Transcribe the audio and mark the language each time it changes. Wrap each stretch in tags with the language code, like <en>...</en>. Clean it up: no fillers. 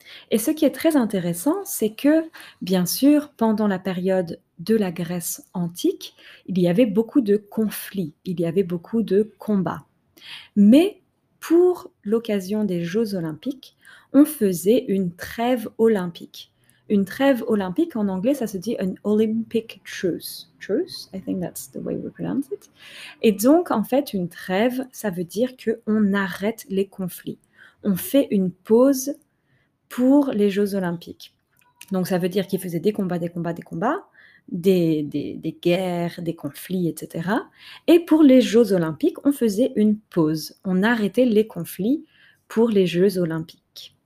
<fr>Et ce qui est très intéressant, c'est que, bien sûr, pendant la période de la Grèce antique, il y avait beaucoup de conflits, il y avait beaucoup de combats. Mais pour l'occasion des Jeux Olympiques, on faisait une trêve olympique. Une trêve olympique, en anglais, ça se dit</fr> <en>an Olympic truce. Truce, I think that's the way we pronounce it.</en> <fr>Et donc, en fait, une trêve, ça veut dire qu'on arrête les conflits. On fait une pause pour les Jeux Olympiques. Donc, ça veut dire qu'ils faisaient des combats, des guerres, des conflits, etc. Et pour les Jeux Olympiques, on faisait une pause. On arrêtait les conflits pour les Jeux Olympiques.</fr>